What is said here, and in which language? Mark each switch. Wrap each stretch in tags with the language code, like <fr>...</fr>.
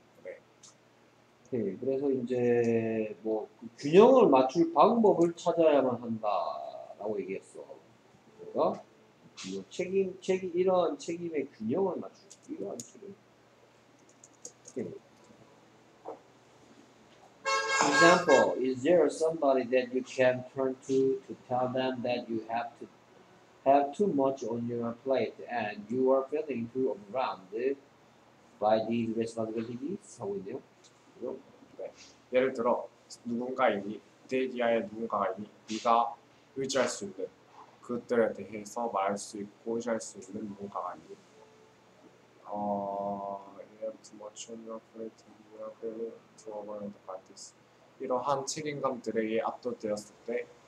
<ko>네. 네. 그래서 이제 뭐 그 균형을 맞출 방법을 찾아야만 한다라고 얘기했어. 그가 뭐 책임 이러한 책임의 균형을 맞출 이러한 책임. 네.</ko> <en>Example, is there somebody that you can turn to tell them that you have too much on your plate and you are feeling too overwhelmed? By these responsibilities?</en> <ko>하고 있네요. 네. 예를 들어 누군가 이미 대기하에 누군가가 이미 네가 의지할 수 있는 그것들에 대해서 말할 수 있고 의지할 수 있는 누군가가 이미 이러한 책임감들에 의해 압도되었을 때</ko>